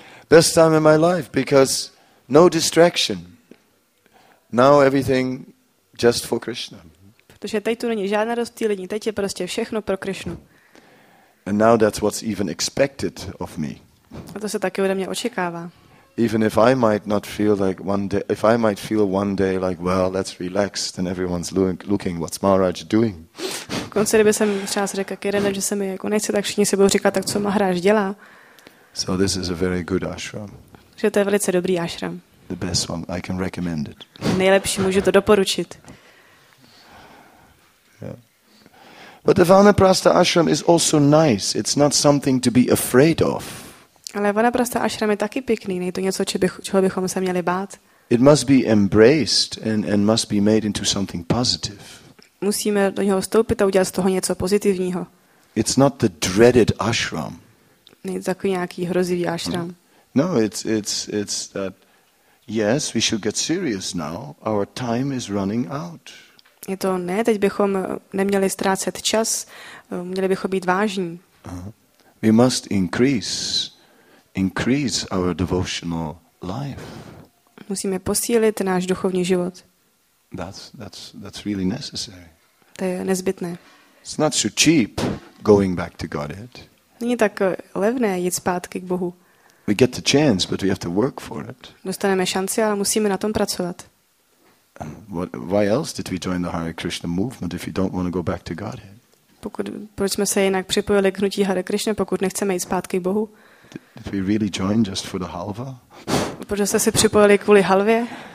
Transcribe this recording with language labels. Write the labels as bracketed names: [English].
[English] Best time in my life because no distraction. Now everything just for Krishna. [Czech] Protože teď tu není žádná rozptýlení, teď je prostě všechno pro Krishnu. [English] And now that's what's even expected of me. [Czech] A to se taky ode mě očekává. [English] Even if I might not feel like one day, if I might feel one day like, well, let's relax, then everyone's looking what's Maharaj doing. [Czech] V konce, kdyby jsem třeba si řekl, kérenem, že se mi jako nechce, tak všichni se budou říkat, tak co Maharaj dělá. [English] So this is a very good ashram. [Czech] Že to je velice dobrý ashram. [English] The best one, I can recommend it. [Czech] Nejlepší, můžu to doporučit. Yeah. [English] But the Vanaprastha ashram is also nice. It's not something to be afraid of. [Czech] Ale Vanaprastha ashram je taky pěkný, není to něco, čeho bychom se měli bát. [English] It must be embraced and must be made into something positive. [Czech] Musíme do něho vstoupit a udělat z toho něco pozitivního. [English] It's not the dreaded ashram. [Czech] Není to takový nějaký hrozivý ashram. [English] No, it's that yes, we should get serious now. Our time is running out. [Czech] Je to ne, teď bychom neměli ztrácet čas, měli bychom být vážní. [English] We must increase our devotional life. [Czech] Musíme posílit náš duchovní život. [English] That's really necessary. [Czech] To je nezbytné. [English] It's not so cheap going back to Godhead. [Czech] Není tak levné jít zpátky k Bohu. [English] We get the chance, but we have to work for it. [Czech] Dostaneme šanci, ale musíme na tom pracovat. [English] Why else did we join the Hare Krishna movement if you don't want to go back to Godhead? [Czech] Proč jsme se jinak připojili k hnutí Hare Krishna, pokud nechceme jít zpátky k Bohu? [English] Did we really join just for the halva? [Czech] Proč jste se připojili kvůli halvě?